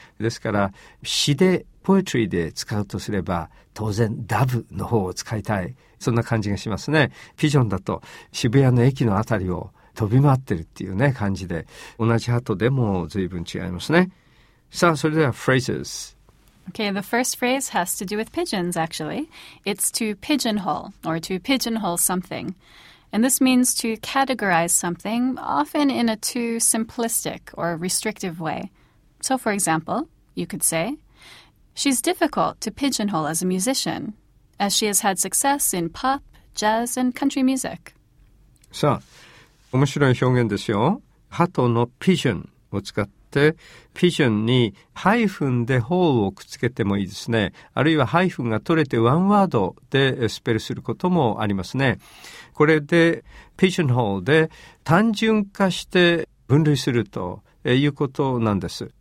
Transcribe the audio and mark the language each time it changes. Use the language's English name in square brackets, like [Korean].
[Japanese] ですから詩で、ポエトリーで使うとすれば、当然ダブの方を使いたい、そんな感じがしますね。ピジョンだと渋谷の駅のあたりを飛び回ってるっていうね感じで、同じ鳩でも随分違いますね。さあ、それではフレーズ。 [English] Okay, the first phrase has to do with pigeons, actually. It's to pigeonhole, or to pigeonhole something. And this means to categorize something, often in a too simplistic or restrictive way. So, for example, you could say, She's difficult to pigeonhole as a musician, as she has had success in pop, jazz, and country music. [Japanese] さあ、面白い表現ですよ。鳩のピジョンを使って、ピジョンにハイフンでホールをくっつけてもいいですね。あるいはハイフンが取れてワンワードでスペルすることもありますね。これでピジョンホールで単純化して分類するということなんです。